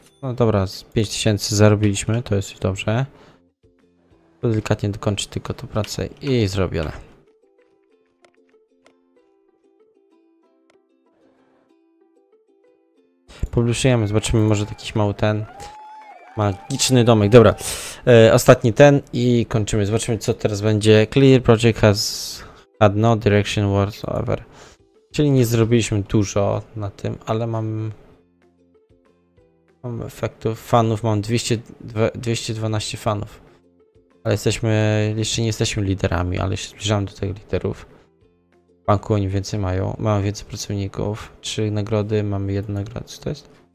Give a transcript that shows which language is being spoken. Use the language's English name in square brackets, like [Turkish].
[Polish] No dobra, z 5000 zarobiliśmy, to jest już dobrze. Delikatnie dokończy tylko tą pracę i zrobione. Publikujemy, zobaczymy, może jakiś mały ten magiczny domek. Dobra, ostatni ten i kończymy. Zobaczymy, co teraz będzie. [English] Clear project has had no direction whatsoever. [Polish] Czyli nie zrobiliśmy dużo na tym, ale mam efektów fanów. Mam 212 fanów. Ale jeszcze nie jesteśmy liderami, ale się zbliżamy do tych liderów. Banku oni więcej mają. Mam więcej pracowników. 3 nagrody, mamy 1 nagrodę. Co to jest?